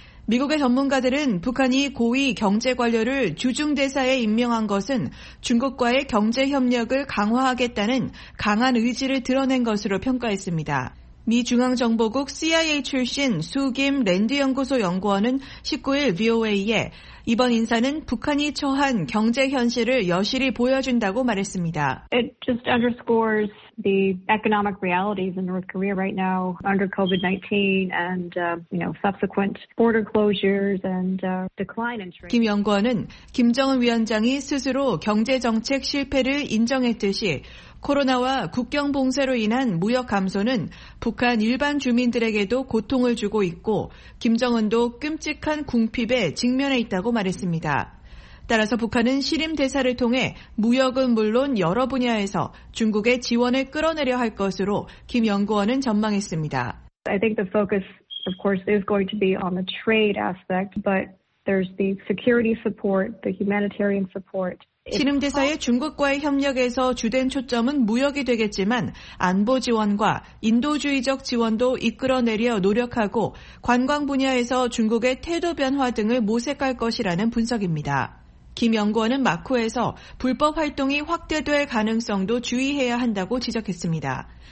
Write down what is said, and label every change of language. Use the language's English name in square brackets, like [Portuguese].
[Korean] 미국의 전문가들은 북한이 고위 경제관료를 주중대사에 임명한 것은 중국과의 경제협력을 강화하겠다는 강한 의지를 드러낸 것으로 평가했습니다. 미 중앙정보국 CIA 출신 수김 랜드연구소 연구원은 19일 VOA에 이번 인사는 북한이 처한 경제 현실을 여실히 보여준다고 말했습니다. [English] It just underscores the economic realities in North Korea right now under COVID-19 and subsequent border closures and decline in trade. [Korean] 김 연구원은 김정은 위원장이 스스로 경제 정책 실패를 인정했듯이 코로나와 국경 봉쇄로 인한 무역 감소는 북한 일반 주민들에게도 고통을 주고 있고 김정은도 끔찍한 궁핍에 직면해 있다고 말했습니다. 따라서 북한은 신임 대사를 통해 무역은 물론 여러 분야에서 중국의 지원을 끌어내려 할 것으로 김 연구원은 전망했습니다. [English] I think the focus of course is going to be on the trade aspect, but there's the security support, the humanitarian support. [Korean] 신임 대사의 중국과의 협력에서 주된 초점은 무역이 되겠지만 안보 지원과 인도주의적 지원도 이끌어내려 노력하고 관광 분야에서 중국의 태도 변화 등을 모색할 것이라는 분석입니다. 김 연구원은 마쿠에서 불법 활동이 확대될 가능성도 주의해야 한다고 지적했습니다.